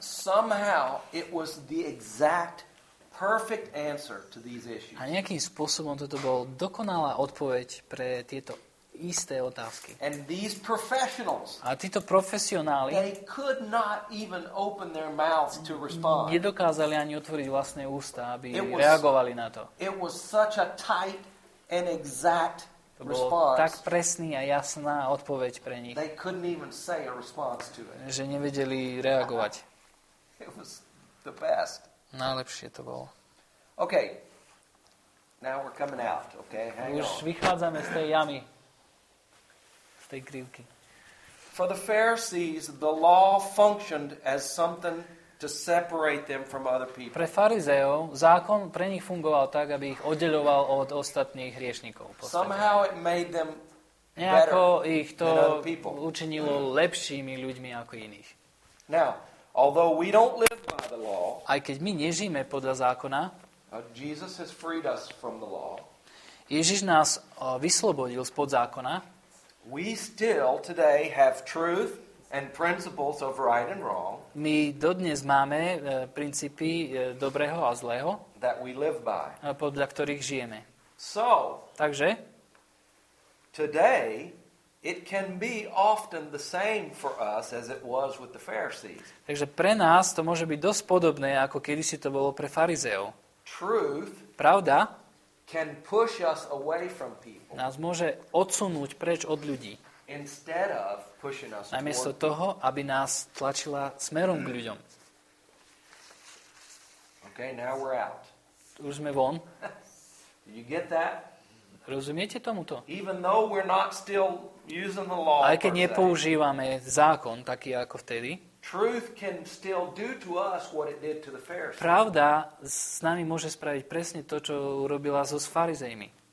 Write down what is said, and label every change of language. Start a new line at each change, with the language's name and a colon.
English: Somehow it was the exact perfect answer to these issues.
Slovak: A nejakým spôsobom toto bol dokonalá odpoveď pre tieto isté otázky.
English: And these professionals.
Slovak: A títo profesionáli,
English: they could not even open their mouths to respond.
Slovak: Nedokázali ani otvoriť vlastné ústa, aby reagovali na to.
English: It was such a tight and exact.
Slovak: To bolo tak presný a jasná odpoveď pre nich.
English: They couldn't even say a response to it.
Slovak: Že nevedeli reagovať.
English: It was the best.
Slovak: Najlepšie to bolo.
English: Okay. Now we're coming out, okay? Hang
Slovak: Už Vychádzame z tej jamy. Z tej krivky.
English: For the Pharisees, the law functioned as something to separate them from other people.
Slovak: Pre farizeov zákon pre nich fungoval tak, aby ich oddeľoval od ostatných hriešnikov.
English: Somehow it made them
Slovak: nejako ich to učinilo lepšími ľuďmi ako iných.
English: Now, although we don't live by the law,
Slovak: aj keď my nežijeme podľa zákona,
English: Jesus has freed us from the law.
Slovak: Ježiš nás vyslobodil spod zákona.
English: We still today have truth and principles of right and wrong.
Slovak: My dodnes máme princípy dobrého a zlého,
English: that we live by.
Slovak: Podľa ktorých žijeme.
English: So,
Slovak: takže
English: today it can be often the same for us as it was with the Pharisees.
Slovak: Takže pre nás to môže byť dosť podobné ako kedysi to bolo pre farizeov.
English: Truth,
Slovak: pravda,
English: can push us away from people.
Slovak: Nás môže odsunúť preč od ľudí.
English: Instead of pushing us
Slovak: namiesto toho, aby nás tlačila smerom k ľuďom.
English: Okay, now we're out.
Slovak: Už sme von.
English: You get that?
Slovak: Rozumiete tomuto?
English: Even though we're not still using the law.
Slovak: Aj keď nepoužívame zákon taký ako vtedy.
English: Truth can still do to us what it did to the Pharisees.
Slovak: Pravda s nami môže spraviť presne to, čo urobila so farizejmi.